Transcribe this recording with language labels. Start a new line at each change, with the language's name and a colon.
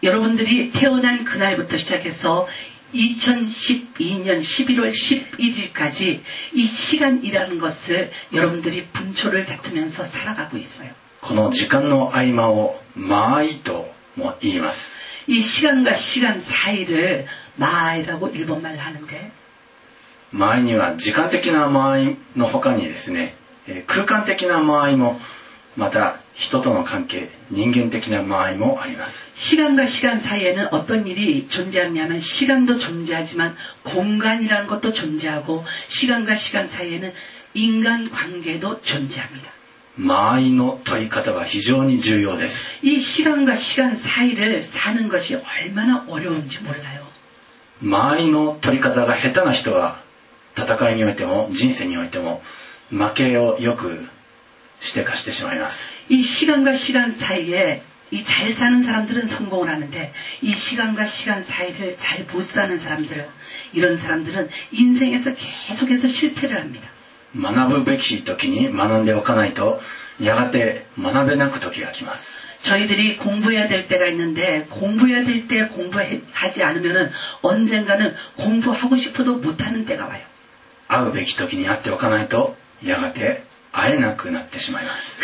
Korean: 여러분들이태어난그날부터시작해서2012년11월11일까지이시간이라는것을여러분들이분초를다투면서살아가고있어요
Japanese: この時間の合間を間合いとも言います。
Korean: 이시간과시간사이를마이라고일본말로하는데
Japanese: 間合には時間的な間合の他にですね、空間的な間合もまた人との関係、人間的な間合もあります。
Korean: 時間과시간사이에는어떤일이존재하냐면시간도존재하지만공간이라는것도존재하고시간과시간사이에는인간관계도존재합니다
Japanese: 間合の問い方は非常に重要です。
Korean: 이시간과시간사이를사는것이얼마나어려운지몰라요。
Japanese: 間合の取り方が下手な人は戦いにおいても人生においても負けをよくしてかしてしまいます。
Korean: 이시간과시간사이에이잘사는사람들은성공을하는데이시간과시간사이를잘못사는사람들은이런사람들은인생에서계속해서실패를합니다。
Japanese: 学ぶべき時に学んでおかないとやがて学べなく時が来ます。
Korean: 저희들이공부해야될때가있는데공부해야될때공부하지않으면은언젠가는공부하고싶어도못하는때가와요。
Japanese: 会うべき時に会っておかないとやがて会えなくなってしまいます。